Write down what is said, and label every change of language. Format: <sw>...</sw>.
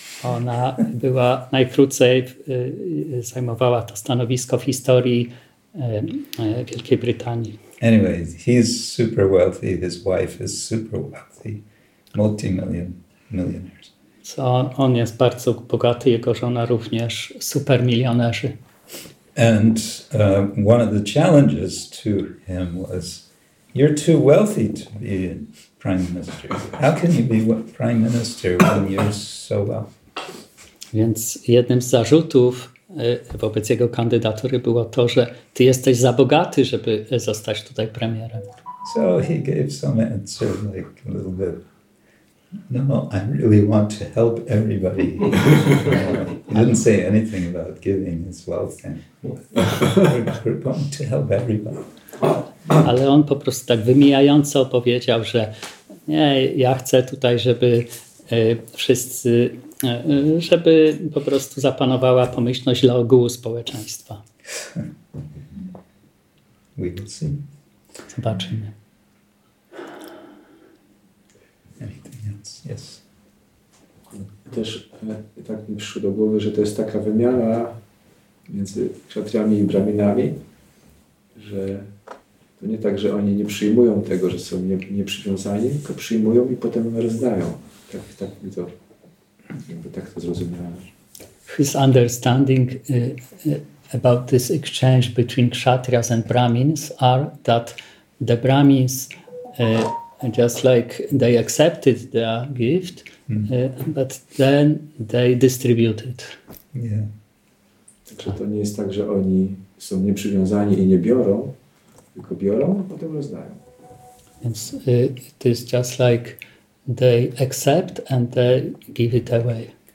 <pl>Ona była najkrócej, zajmowała to stanowisko w historii Wielkiej Brytanii.</pl> <en>Anyway, he is super wealthy, his wife is super wealthy, multimillionaires.</en> <pl>So on jest bardzo bogaty, jego żona również super milionerzy.</pl> <en>And one of the challenges to him was, you're too wealthy to be prime minister. How can you be prime minister when you're so wealthy?</en> <pl>Więc jednym z zarzutów wobec jego kandydatury było to, że ty jesteś za bogaty, żeby zostać tutaj premierem.</pl> <en>So he gave some answer, like a little bit No, I really want to help everybody. He didn't say anything about giving his wealth. We're going to help everybody.</en> <pl>Ale on po prostu tak wymijająco powiedział, że nie, ja chcę tutaj, żeby wszyscy, żeby po prostu zapanowała pomyślność dla ogółu społeczeństwa.</pl> <en>We will see.</en> <pl>Zobaczymy.</pl> <en>Anything else? Yes.</en> <pl>Też tak mi przyszło do głowy, że to jest taka wymiana między kszatriami i braminami, że to nie tak, że oni nie przyjmują tego, że są nieprzywiązani, tylko przyjmują i potem rozdają. Tak mi to, jakby tak to zrozumiałem.</pl> <en>His understanding about this exchange between kshatriyas and brahmins are that the brahmins just like they accepted the gift, but then they distributed. Yeah.</en> <pl>Także to nie jest tak, że oni są nieprzywiązani i nie biorą, tylko biorą, a potem rozdają.</pl> <en>Yes, it is just like they accept and they give it away.</en>